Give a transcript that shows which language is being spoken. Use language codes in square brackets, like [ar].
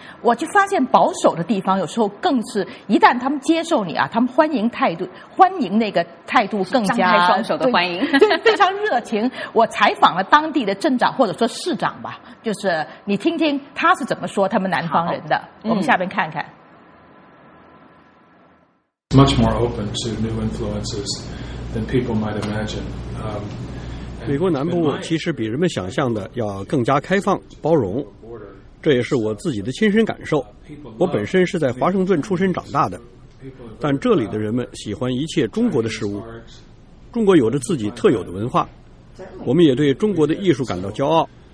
[zh] 我就发现保守的地方有时候更是一旦他们接受你啊，他们欢迎态度，欢迎那个态度更加张开双手的欢迎，非常热情。我采访了当地的镇长或者说市长吧，就是你听听他是怎么说他们南方人的，我们下边看看。 [en] Much more open to new influences than people might imagine. [zh] 美国南部其实比人们想象的要更加开放包容，这也是我自己的亲身感受。我本身是在华盛顿出生长大的。但这里的人们喜欢一切中国的事物，中国有着自己特有的文化，我们也对中国的艺术感到骄傲。